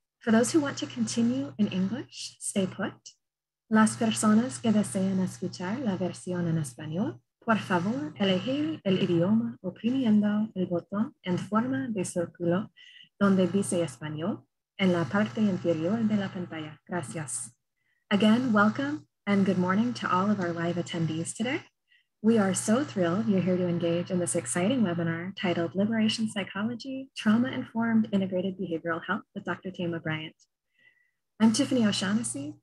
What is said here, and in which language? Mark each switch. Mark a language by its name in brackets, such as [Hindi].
[English] For those who want to continue in English, stay put. [Spanish] Las personas que desean escuchar la versión en español, por favor, elegir el idioma oprimiendo el botón en forma de círculo donde dice español en la parte inferior de la pantalla. Gracias. [English] Again, welcome and good morning to all of our live attendees today. We are so thrilled you're here to engage in this exciting webinar titled Liberation Psychology, Trauma-Informed Integrated Behavioral Health with Dr. Thema Bryant. I'm Tiffany O'Shaughnessy.